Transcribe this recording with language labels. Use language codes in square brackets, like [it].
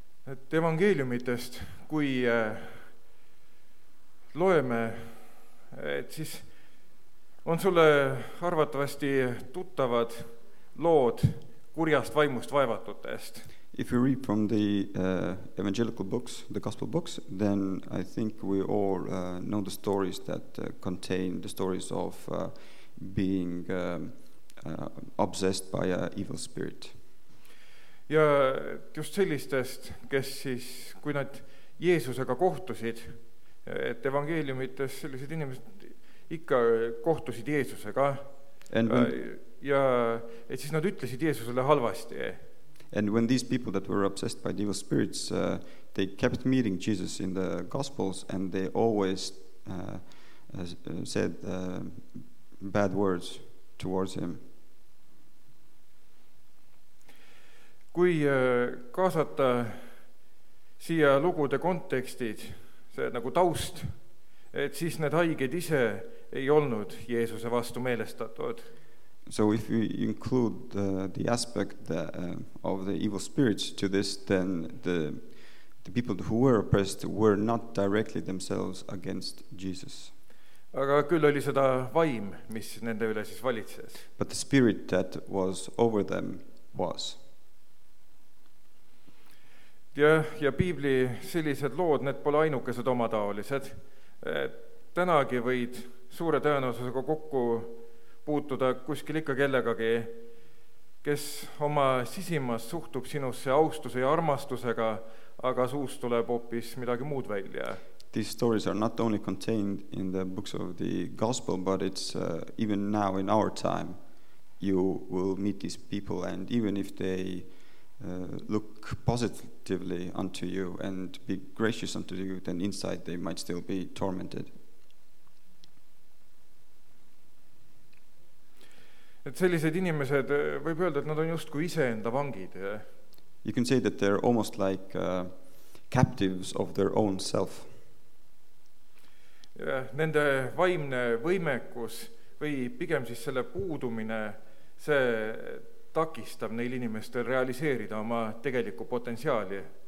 [et] Et evangeeliumitest, kui loeme, et siis on sulle arvatavasti tuttavad lood kurjast vaimust vaevatutest. [en] If you read from the evangelical books, the gospel books, then I think we all know the stories that contain the stories of being obsessed by an evil spirit. [et] Ja just sellistest, kes siis, kui nad Jeesusega kohtusid, et evangeeliumites sellised inimesed ikka kohtusid Jeesusega. Ja et siis nad ütlesid Jeesusele halvasti. [en] And when these people that were obsessed by evil spirits, they kept meeting Jesus in the Gospels and they always said bad words towards him. [et] Kui kaasata siia lugude kontekstid, see nagu taust, et siis need haiged ise ei olnud Jeesuse vastu meelestatud. [en] So if you include the aspect of the evil spirits to this, then the people who were oppressed were not directly themselves against Jesus. [et] Aga küll oli seda vaim, mis nende üle siis valitses. [en] But the spirit that was over them was. [et] Ja piibli sellised lood, need pole ainukesed omataolised. Tänagi võid suure tõenäosusega kokku puutuda kuskil ikka kellegagi, kes oma sisimas suhtub sinusse austuse ja armastusega, aga suust tuleb hoopis midagi muud välja. [en] These stories are not only contained in the books of the gospel, but it's even now in our time you will meet these people, and even if they look positively unto you and be gracious unto you, then inside they might still be tormented. [et] Et sellised inimesed, võib öelda, et nad on just kui ise enda vangid. [en] You can say that they're almost like captives of their own self. [et] Ja nende vaimne võimekus või pigem siis selle puudumine, see takistab neil inimestel realiseerida oma tegelikku potentsiaali.